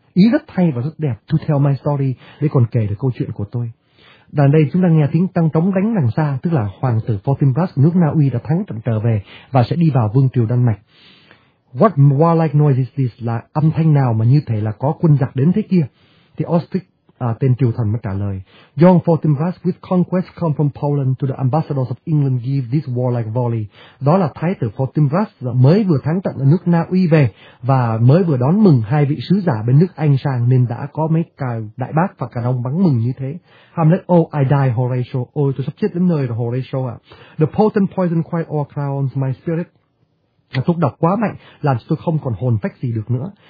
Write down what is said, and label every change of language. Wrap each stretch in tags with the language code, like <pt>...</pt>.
<vi>Ý rất hay và rất đẹp.</vi> <en>To tell my story,</en> <vi>để còn kể được câu chuyện của tôi. Đằng đây chúng ta nghe tiếng tăng trống đánh đằng xa, tức là hoàng tử Fortinbras nước Na Uy đã thắng trận trở về và sẽ đi vào vương triều Đan Mạch.</vi> <en>What warlike noise is this?</en> <vi>Là âm thanh nào mà như thể là có quân giặc đến thế kia? Thì Ostrich, tên triều thần, mới trả lời.</vi> <en>John Fortinbras with conquest come from Poland to the ambassadors of England give this warlike volley.</en> <vi>Đó là thái tử Fortinbras mới vừa thắng trận ở nước Na Uy về và mới vừa đón mừng hai vị sứ giả bên nước Anh sang, nên đã có mấy cài đại bác và cả đông bắn mừng như thế. Hamlet,</vi> <en>oh, I die, Horatio.</en> <vi>Ôi, tôi sắp chết đến nơi rồi, Horatio ạ.</vi> <en>The potent poison quite o'crowns my spirit.</en> <vi>Thuốc độc quá mạnh, làm cho tôi không còn hồn phách gì được nữa.</vi>